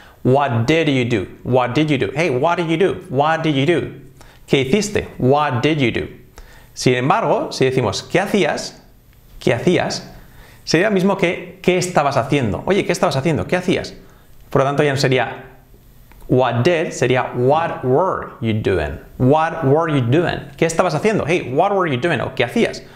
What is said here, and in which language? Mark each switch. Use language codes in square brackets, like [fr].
[en] What did you do, what did you do, hey, what did you do, what did you do, [es] qué hiciste, [en] what did you do. [es] Sin embargo, si decimos qué hacías, sería lo mismo que qué estabas haciendo. Oye, ¿qué estabas haciendo? ¿Qué hacías? Por lo tanto, ya no sería [en] what did, [es] sería [en] what were you doing. What were you doing? [es] ¿Qué estabas haciendo? [en] Hey, what were you doing? [es] O ¿qué hacías?